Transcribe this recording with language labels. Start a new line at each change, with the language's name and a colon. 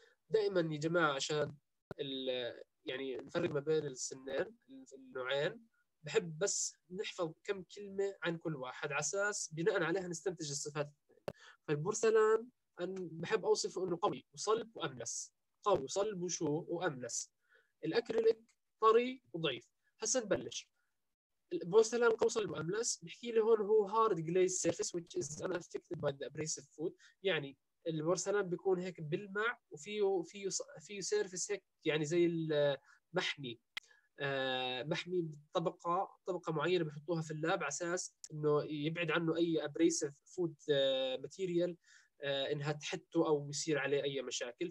Arabic: دائما يا جماعة عشان يعني نفرق ما بين السنين النوعين، بحب بس نحفظ كم كلمة عن كل واحد عساس بناء عليها نستنتج الصفات. فالبورسلان أنا بحب أوصفه أنه قوي وصلب وأملس، قوي وصلب وشو وأملس. الأكريليك طري وضعيف. هسا نبلش بوستلان قوس الأملاس بحكي له هون هو
English: hard glazed surface which is unaffected by the abrasive food.
Arabic: يعني البورسلان بيكون هيك بلمع وفيه فيه سيرفس هيك يعني زي المحمي محمي طبقة معينة بحطوها في اللاب عساس إنه يبعد عنه أي
English: abrasive food material
Arabic: إنها تحته أو يصير عليه أي مشاكل.